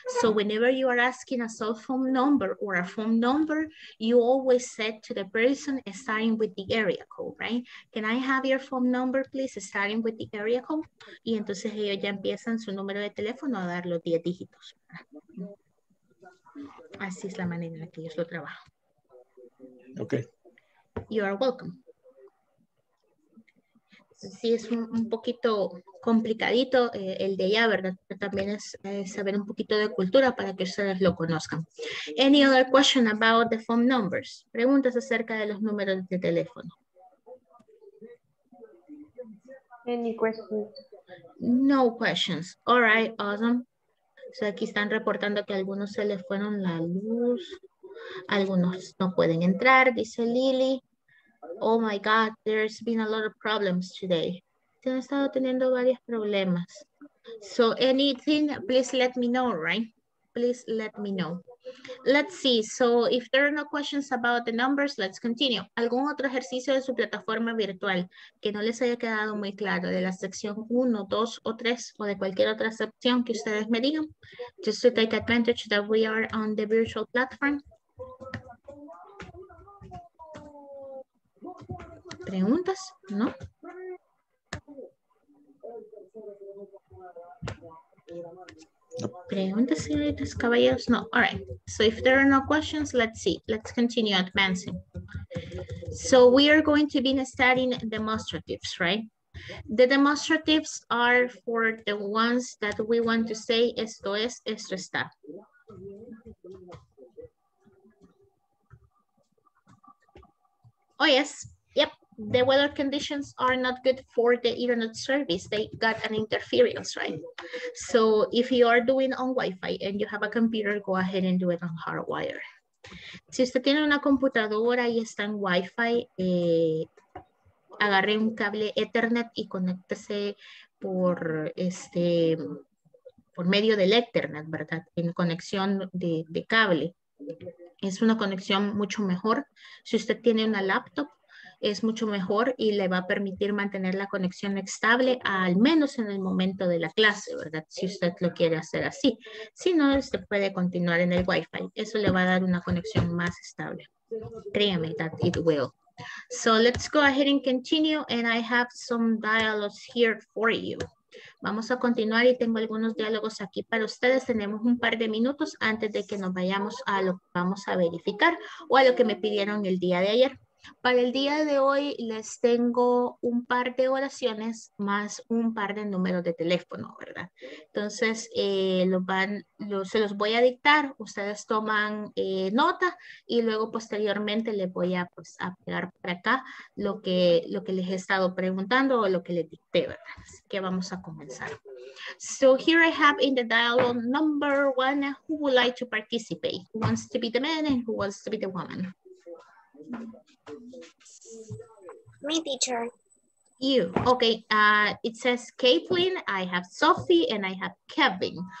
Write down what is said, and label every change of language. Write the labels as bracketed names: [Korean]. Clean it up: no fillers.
[English] So whenever you are asking a cell phone number or a phone number, you always said to the person starting with the area code, right? Can I have your phone number, please, starting with the area code? [Spanish] Y entonces ellos ya empiezan su número de teléfono a dar los 10 dígitos. Así es la manera en la que ellos lo trabajan. [English] Okay. You are welcome. [Spanish] Sí, es un poquito complicadito el de allá, ¿verdad? Pero también es saber un poquito de cultura para que ustedes lo conozcan. [English] Any other question about the phone numbers? [Spanish] ¿Preguntas acerca de los números de teléfono? [English] Any questions? No questions. All right, awesome. [Spanish] So aquí están reportando que a algunos se les fueron la luz. Algunos no pueden entrar, dice Lily. [English] Oh my God, there's been a lot of problems today. [Spanish] Se han estado teniendo varios problemas. [English] So anything, please let me know, right? Please let me know. Let's see. So if there are no questions about the numbers, let's continue. [Spanish] ¿Algún otro ejercicio de su plataforma virtual que no les haya quedado muy claro de la sección 1, 2 o 3 o de cualquier otra sección que ustedes me digan? [English] Just to take advantage that we are on the virtual platform. [Spanish] ¿Preguntas? ¿No? ¿Preguntas, señoritas, caballeros? No. [English] All right. So if there are no questions, let's see. Let's continue advancing. So we are going to be studying demonstratives, right? The demonstratives are for the ones that we want to say [Spanish] esto es, esto está. [English] Oh, yes. Yep. The weather conditions are not good for the internet service. They got an interference, right? So if you are doing on Wi-Fi and you have a computer, go ahead and do it on hardwire. [Spanish] Si usted tiene una computadora y está en Wi-Fi, agarre un cable Ethernet y conéctese por medio del Ethernet, ¿verdad? En conexión de cable. Es una conexión mucho mejor. Si usted tiene una laptop, es mucho mejor y le va a permitir mantener la conexión estable, al menos en el momento de la clase, ¿verdad? Si usted lo quiere hacer así. Si no, usted puede continuar en el Wi-Fi. Eso le va a dar una conexión más estable. Créame, [English] that it will. So let's go ahead and continue, and I have some dialogues here for you. [Spanish] Vamos a continuar y tengo algunos diálogos aquí para ustedes. Tenemos un par de minutos antes de que nos vayamos a lo que vamos a verificar o a lo que me pidieron el día de ayer. Para el día de hoy les tengo un par de oraciones más un par de números de teléfono, ¿verdad? Entonces se los voy a dictar, ustedes toman nota y luego posteriormente les voy a pegar por acá lo que les he estado preguntando o lo que les dicté, ¿verdad? Así que vamos a comenzar. [English] So here I have in the dialogue number one, who would like to participate? Who wants to be the man and who wants to be the woman? Me, teacher. You. Okay. It says Caitlin, I have Sophie, and I have Kevin.